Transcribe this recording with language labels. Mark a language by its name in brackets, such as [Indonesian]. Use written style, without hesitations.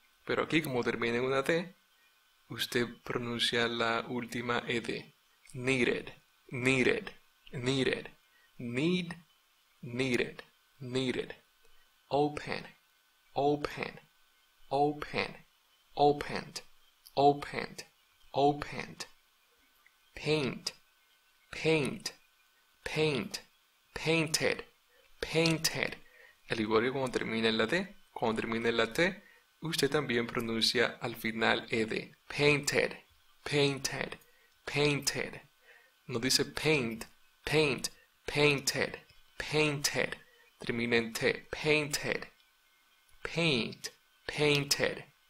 [Spanish] Pero aquí como termina en una D, usted pronuncia la última ED. [English] Needed, needed, needed, need, needed, needed. Open, open, open, opened, opened, opened. Paint, paint, paint, painted, painted. [Spanish] Al igual que cuando termina en la D, cuando termina en la T, usted también pronuncia al final ED. [English] Painted, painted, painted. [Spanish] No dice [English] paint, paint, painted, painted. [Spanish] Termina en T, [English] painted. Paint, painted.